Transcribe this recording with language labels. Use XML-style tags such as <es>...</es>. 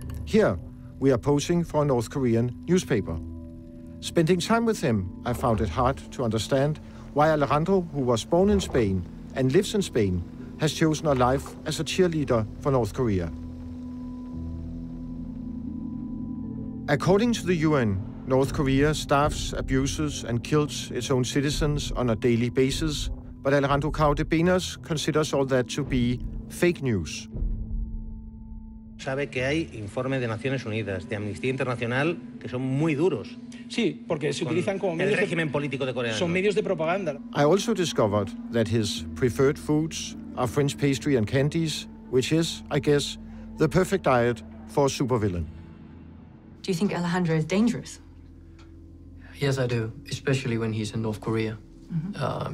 <en>Here, we are posing for a North Korean newspaper. Spending time with him, I found it hard to understand why Alejandro, who was born in Spain and lives in Spain, has chosen a life as a cheerleader for North Korea. According to the UN, North Korea starves, abuses, and kills its own citizens on a daily basis, but Alejandro Cao de Benos considers all that to be fake news.</en> <es>Sabe que hay informes de Naciones Unidas, de Amnistía Internacional, que son muy duros. Sí, porque se utilizan como medios. El régimen político de Corea. Son medios de propaganda.</es> <en>I also discovered that his preferred foods are French pastry and candies, which is, I guess, the perfect diet for a supervillain. Do you think Alejandro is dangerous? Yes, I do, especially when he's in North Korea, mm-hmm.</en>